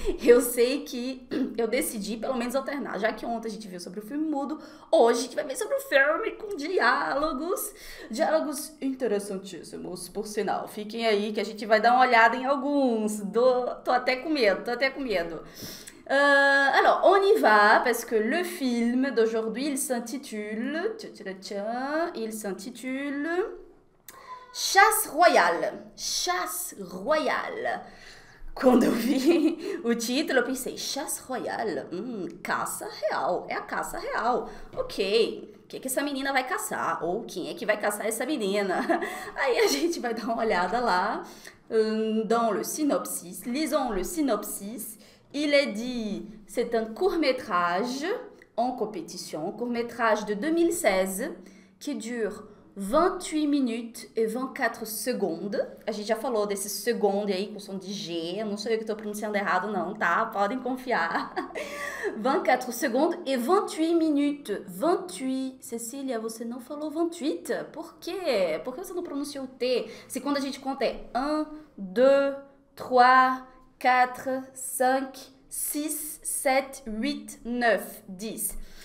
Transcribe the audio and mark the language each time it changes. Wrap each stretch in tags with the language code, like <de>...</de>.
<pt>Eu sei que eu decidi pelo menos alternar, já que ontem a gente viu sobre o filme mudo, hoje a gente vai ver sobre o filme com diálogos interessantíssimos, por sinal. Fiquem aí que a gente vai dar uma olhada em alguns. Tô até com medo, tô até com medo.</pt> <fr>Alors, on y va, parce que le film d'aujourd'hui, il s'intitule... Tcha-tcha-tcha, il s'intitule... Chasse royale, chasse royale.</fr> <pt>Quando eu vi o título, eu pensei: chasse royale, caça real, é a caça real. Ok, o que que essa menina vai caçar? Ou quem é que vai caçar essa menina? Aí a gente vai dar uma olhada lá,</pt> <fr>dans le synopsis, lisons le synopsis. Il est dit, c'est un court-métrage en compétition, court-métrage de 2016, qui dure 28</fr> <pt>minutos e 24 segundos. A gente já falou desse segundo aí com som de G. Eu não sei o que estou pronunciando errado, não, tá? Podem confiar. 24 segundos e 28 minutos. 28. Cecília, você não falou 28. Por quê? Por que você não pronunciou o T? Se quando a gente conta é 1, 2, 3, 4, 5, 6, 7, 8, 9, 10.</pt>